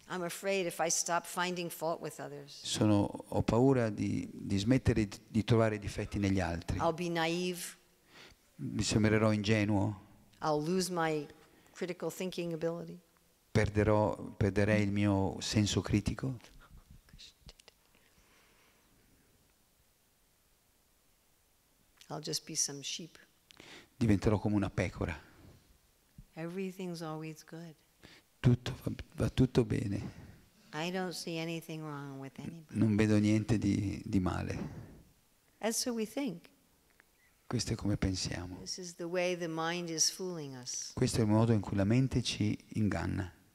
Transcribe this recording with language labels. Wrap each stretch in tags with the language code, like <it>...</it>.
<en>I'm afraid if I stop finding fault with others.</en> <it>Ho paura di smettere di trovare difetti negli altri.</it> <en>I'll be naive.</en> <it>Mi sembrerò ingenuo.</it> <en>I'll lose my critical thinking ability.</en> <it>Perderei il mio senso critico.</it> <en>I'll just be some sheep.</en> <it>Diventerò come una pecora.</it> <en>Everything's always good.</en> <it>Tutto va tutto bene.</it> <en>I don't see anything wrong with anybody.</en> <it>Non vedo niente di male.</it> <en>That's what we think.</en> <it>Questo è come pensiamo.</it> <en>This is the way the mind is fooling us.</en> <it>Questo è il modo in cui la mente ci inganna.</it>